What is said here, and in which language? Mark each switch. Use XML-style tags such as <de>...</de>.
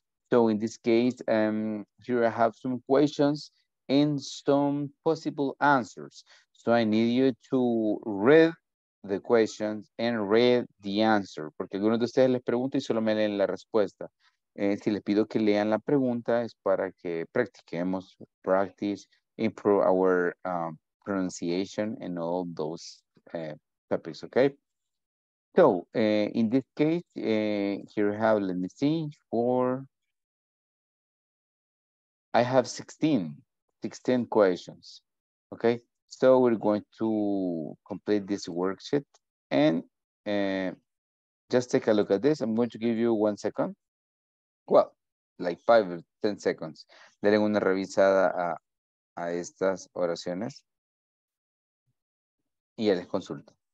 <en>So in this case, here I have some questions and some possible answers. So I need you to read the questions and read the answer.</en> <es>Porque algunos de ustedes les pregunta y solo me leen la respuesta. Si les pido que lean la pregunta es para que practiquemos,</es> <en>practice, improve our pronunciation and all those topics, okay? So, in this case, here I have, let me see, I have 16 questions, okay? So we're going to complete this worksheet and just take a look at this. I'm going to give you 1 second. Well, like 5 or 10 seconds.</en> <es>Denle una revisada a estas oraciones y ya les consulto.</es>